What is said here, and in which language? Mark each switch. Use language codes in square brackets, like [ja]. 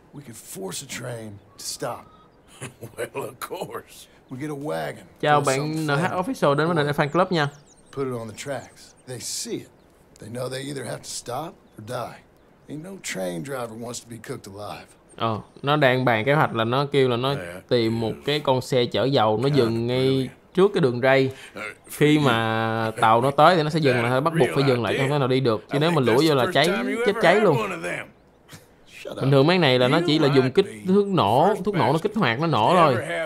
[en] We could force a train to stop. Well, of course. We get a wagon. [vi] Chào bạn NH Official đến với nền fan club nha. [en] Put it on the tracks. They see it. They know they either have to stop or die. Ain't no train driver wants to be cooked alive. [vi] Ờ, nó đang bàn kế hoạch là nó kêu là nó tìm một cái con xe chở dầu nó dừng ngay trước cái đường ray. Khi mà tàu nó tới thì nó sẽ dừng lại, bắt buộc phải dừng lại không thể nào đi được. Chứ nếu mà lũi vô là cháy, chết cháy luôn. Bình thường mấy này là nó chỉ là dùng kích thước nổ, thuốc nổ nó kích hoạt nó nổ thôi.